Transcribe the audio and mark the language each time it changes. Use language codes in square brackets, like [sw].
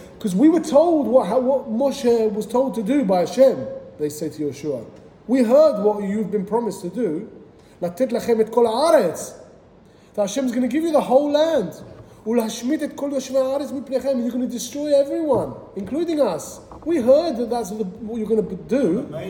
[en] Because we were told what Moshe was told to do by Hashem, they said to Yeshua. We heard what you've been promised to do. [he] לתת לכם את כל הארץ. [en] That Hashem is going to give you the whole land. [he] ולהשמיד את כל יושבי הארץ מפניכם. [en] You're going to destroy everyone, including us. We heard that that's what you're going to do.